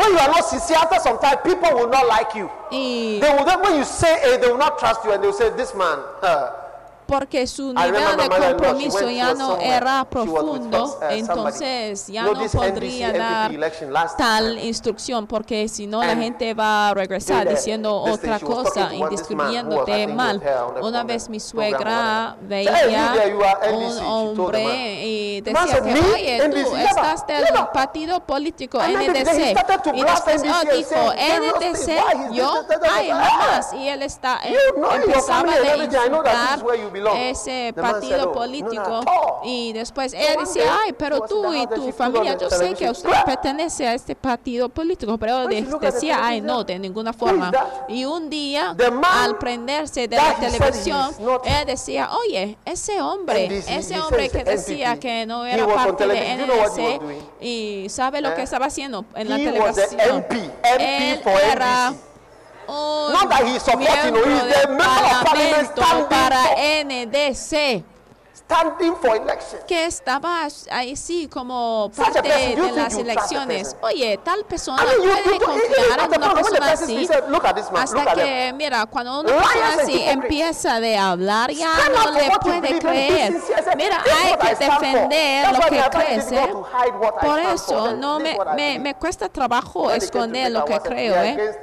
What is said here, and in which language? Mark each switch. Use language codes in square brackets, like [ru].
[en] When you are not sincere, after some time, people will not like you. They will, when you say A, they will not trust you, and they will say, this man, [es] porque su nivel de compromiso ya no era profundo, entonces ya no podría dar tal instrucción, porque si no la gente va a regresar diciendo otra cosa y describiéndote mal. Una vez mi suegra veía un hombre y decía que, oye, tú estás del partido político NDC, y después dijo, NDC, yo, ay, nomás, y él está, empezaba a insultar ese partido político, y después él dice, ay, pero tú y tu familia, yo sé que usted pertenece a este partido político, pero decía, ay, no, de ninguna forma. Y un día, al prenderse de la televisión, él decía, oye, ese hombre que decía que no era parte de NDC, y sabe lo que estaba haciendo en la televisión, él era... [en] Not that he's supporting, no, he's the member of parliament standing para for NDC. Standing for election. [es] Que estaba ahí, sí, como parte de las elecciones. Oye, tal persona, [en] I mean, [es] puede confiar en una persona así. Hasta que, mira, cuando una persona así empieza de hablar, ya no le puede creer. Mira, hay que defender lo que crees. Por eso, no me cuesta trabajo esconder lo que creo.